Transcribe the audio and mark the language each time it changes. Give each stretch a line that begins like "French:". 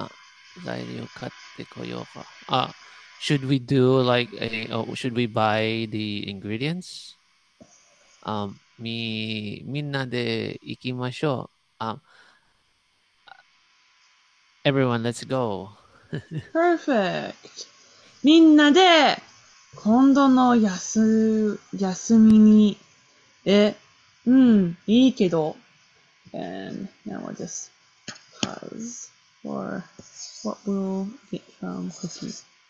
Japanese: あ、材料買ってこようか。
English: あ、should we do like a, or should we buy the ingredients?
Japanese: みんなで行きましょう。
English: あ、everyone, let's go. Perfect.
Japanese: みんなで今度の休みに、え、うん、いいけど。
English: And now we'll just pause for what we'll get from Cookie.